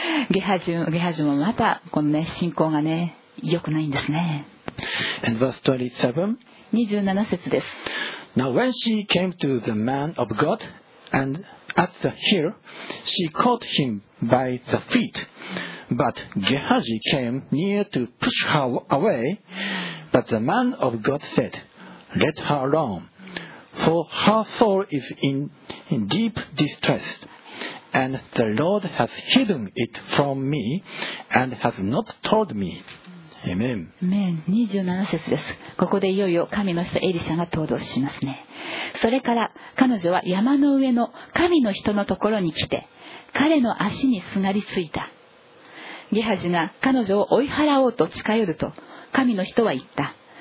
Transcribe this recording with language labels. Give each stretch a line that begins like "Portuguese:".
Japanese: ゲハジもまたこの、ね、信仰がね、良くないんですね。
English: And verse 27
Japanese: 27節です。
English: Now when she came to the man of God and at the hill, she caught him by the feet. But Gehazi came near to push her away. But the man of God said, Let her alone, for her soul is in deep distress. And the Lord has hidden it from me and has not told me. Amen.
Japanese: 27節です。ここでいよいよ神の人エリシャが登場しますね。それから彼女は山の上の神の人のところに来て彼の足にすがりついた。ゲハジが彼女を追い払おうと近寄ると神の人は言った。